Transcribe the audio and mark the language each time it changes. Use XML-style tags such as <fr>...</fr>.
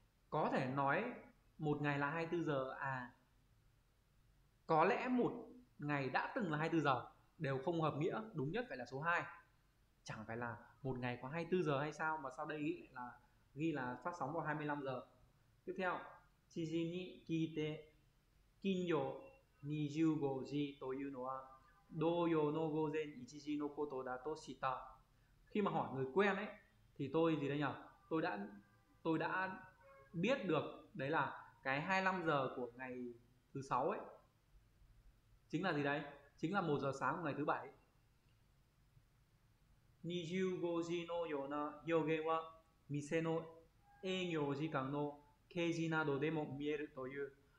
<vi>Có thể nói một ngày là 24 giờ à, có lẽ một ngày đã từng là 24 giờ, đều không hợp nghĩa. Đúng nhất phải là số 2. Chẳng phải là một ngày có 24 giờ hay sao mà sau đây ghi là phát sóng vào 25 giờ. Tiếp theo,</vi> <ja>chiji ni kite kinjo 25時 というのは同様の午前1時のことだとした。</ja> <vi>Khi mà hỏi người quen ấy thì tôi gì đấy nhỉ? Tôi đã biết được đấy là cái 25 giờ của ngày thứ 6 ấy chính là gì đấy? Chính là 1 giờ sáng của ngày thứ 7.</vi> <ja>25時のような表現は店の営業時間の掲示などでも見えるという。</ja>